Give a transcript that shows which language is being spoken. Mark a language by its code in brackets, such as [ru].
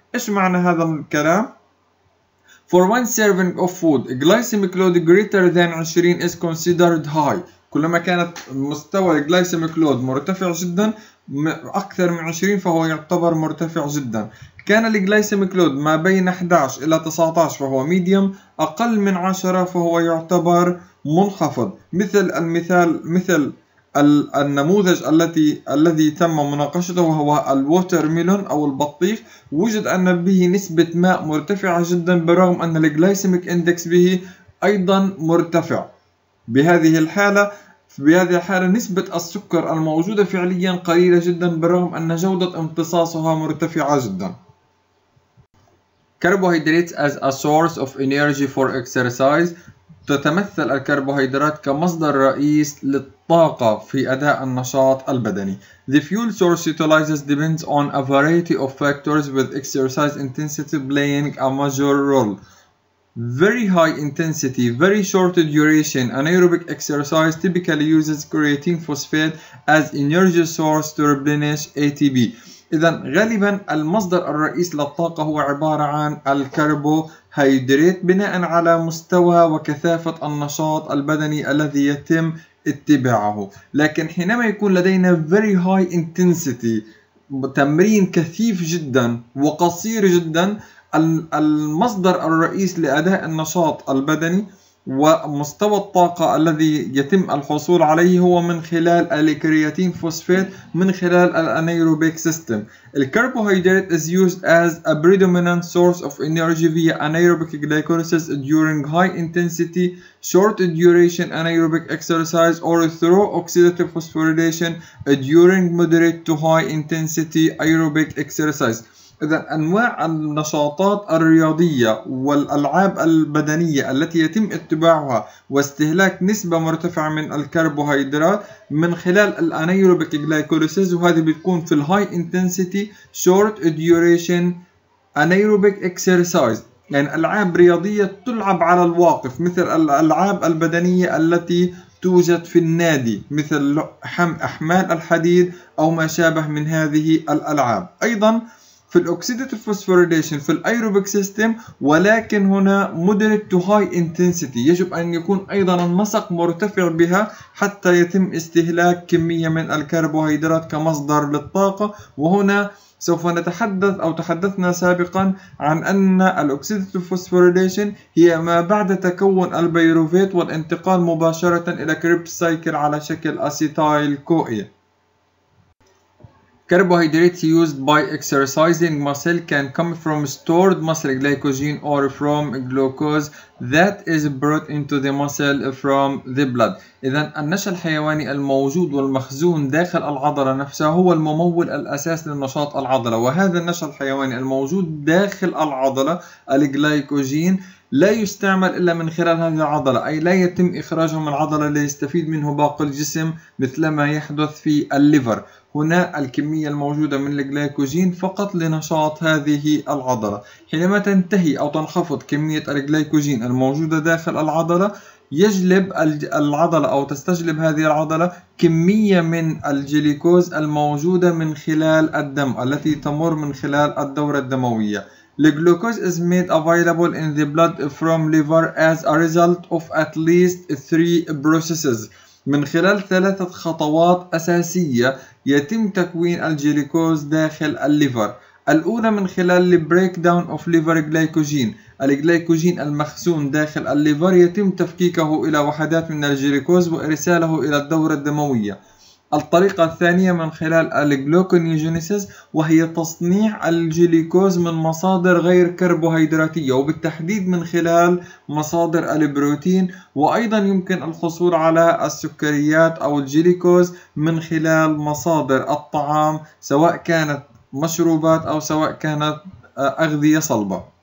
[ar] إيش معنى هذا الكلام؟ [en] For one serving of food, glycemic load greater than 20 is considered high. [ar] كلما كانت مستوى الجلايسيميك لود مرتفع جدا، أكثر من 20 فهو يعتبر مرتفع جدا. كان الجلايسيميك لود ما بين 11 إلى 19 فهو ميديوم، أقل من 10 فهو يعتبر منخفض. مثل النموذج الذي تم مناقشته هو الووتر ميلون أو البطيخ، وجد أن به نسبة ماء مرتفعة جدا برغم أن الجلايسيميك إندكس به أيضا مرتفع. بهذه الحالة نسبة السكر الموجودة فعليا قليلة جدا برغم أن جودة امتصاصها مرتفعة جدا. [en] Carbohydrates as a source of energy for exercise. [ar] تتمثل الكربوهيدرات كمصدر رئيس للطاقة في أداء النشاط البدني. [en] The fuel source utilizes depends on a variety of factors with exercise intensity playing a major role. Very high intensity, very short duration anaerobic exercise typically uses creatine phosphate as energy source to replenish ATP. [ar] إذن غالبا المصدر الرئيس للطاقة هو عبارة عن الكربوهيدرات بناء على مستوى وكثافة النشاط البدني الذي يتم اتباعه، لكن حينما يكون لدينا [en] very high intensity [ar] تمرين كثيف جدا وقصير جدا، المصدر الرئيس لأداء النشاط البدني ومستوى الطاقة الذي يتم الحصول عليه هو من خلال الكرياتين فوسفات من خلال الانيروبيك سيستم. [en] الكربوهيدرات is used as a predominant source of energy via anaerobic glycolysis during high intensity short duration anaerobic exercise or through oxidative phosphorylation during moderate to high intensity aerobic exercise. [ar] إذا أنواع النشاطات الرياضية والألعاب البدنية التي يتم اتباعها واستهلاك نسبة مرتفعة من الكربوهيدرات من خلال الأنيروبيك جلايكوليسيس، وهذه بتكون في الهاي انتنسيتي شورت ديوريشن أنيروبيك اكسرسايز، يعني ألعاب رياضية تلعب على الواقف مثل الألعاب البدنية التي توجد في النادي مثل حمال الحديد أو ما شابه من هذه الألعاب. أيضا في الأكسيداتيف فوسفوريليشن في الأيروبيك سيستم، ولكن هنا [en] moderate to high intensity، [ar] يجب أن يكون أيضا النسق مرتفع بها حتى يتم استهلاك كمية من الكربوهيدرات كمصدر للطاقة. وهنا سوف نتحدث أو تحدثنا سابقا عن أن الأكسيداتيف فوسفوريليشن هي ما بعد تكون البيروفيت والانتقال مباشرة إلى كريبس سايكل على شكل أسيتايل كوئي. [en] Carbohydrates used by exercising muscle can come from stored muscle glycogen or from glucose that is brought into the muscle from the blood. [ar] إذا النشا الحيواني الموجود والمخزون داخل العضلة نفسها هو الممول الأساسي لنشاط العضلة، وهذا النشا الحيواني الموجود داخل العضلة الجلايكوجين لا يستعمل إلا من خلال هذه العضلة، أي لا يتم إخراجه من العضلة ليستفيد منه باقي الجسم مثل ما يحدث في الليفر. هنا الكمية الموجودة من الجلايكوجين فقط لنشاط هذه العضلة. حينما تنتهي أو تنخفض كمية الجلايكوجين الموجودة داخل العضلة، يجلب العضلة أو تستجلب هذه العضلة كمية من الجليكوز الموجودة من خلال الدم التي تمر من خلال الدورة الدموية. [en] الجلوكوز is made available in the blood from liver as a result of at least three processes. [ar] من خلال ثلاثة خطوات أساسية يتم تكوين الجليكوز داخل الليفر. الأولى من خلال [en] the breakdown of liver glycogen. [ar] الجليكوجين المخزون داخل الليفر يتم تفكيكه إلى وحدات من الجليكوز وإرساله إلى الدورة الدموية. الطريقة الثانية من خلال الجلوكونيوجينيسيس، وهي تصنيع الجليكوز من مصادر غير كربوهيدراتية وبالتحديد من خلال مصادر البروتين، وأيضا يمكن الحصول على السكريات أو الجليكوز من خلال مصادر الطعام سواء كانت مشروبات أو سواء كانت أغذية صلبة.